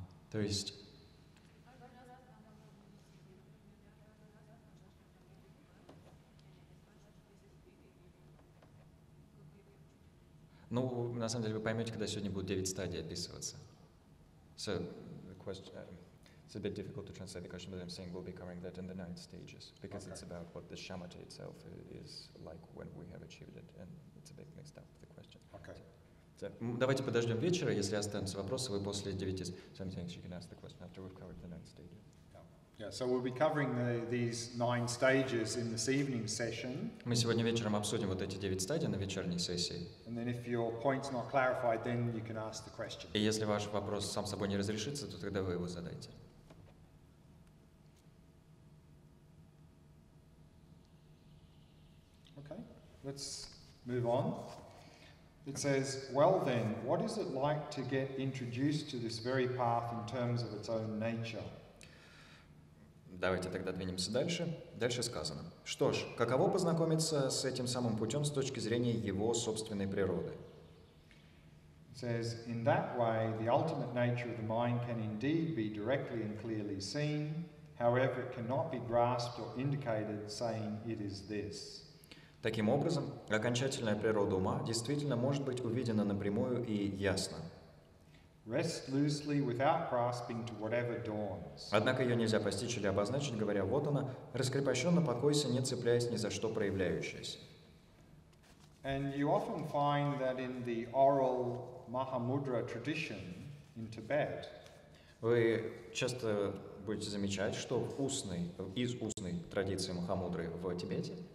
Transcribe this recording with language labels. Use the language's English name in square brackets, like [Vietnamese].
[Russian] То есть, ну, на самом деле, вы поймете, когда сегодня будут девять стадий описываться. [English] So, the question, it's a bit difficult to translate the question, but I'm saying we'll be covering that in the ninth stages, because okay. It's about what the shamatha itself is like when we have achieved it, and it's a bit mixed up, the question. Okay. So, [Russian] Давайте подождем вечера, если останутся вопросы, вы после [English] 9 something you can ask the question after we've covered the ninth stage. Yeah, so we'll be covering these nine stages in this evening session. [Russian] Мы сегодня вечером обсудим вот эти 9 стадий на вечерней сессии. [English] And then if your point's not clarified, then you can ask the question. [Russian] И если ваш вопрос сам собой не разрешится, то тогда вы его задайте. [English] Okay, let's move on. It says, well then, what is it like to get introduced to this very path in terms of its own nature? [Russian] Давайте тогда двинемся дальше. Дальше сказано. Что ж, каково познакомиться с этим самым путем с точки зрения его собственной природы? [English] It says, in that way, the ultimate nature of the mind can indeed be directly and clearly seen, however, it cannot be grasped or indicated, saying it is this. [Russian] Таким образом, окончательная природа ума действительно может быть увидена напрямую и ясно. [English] Rest loosely without grasping to whatever dawns. [Russian] Однако ее нельзя постичь или обозначить, говоря, вот она, раскрепощенно покойся, не цепляясь ни за что проявляющаяся. [English] And you often find that in the oral Mahamudra tradition in Tibet. [Russian] Вы часто будете замечать, что из устной традиции Махамудры в Тибете.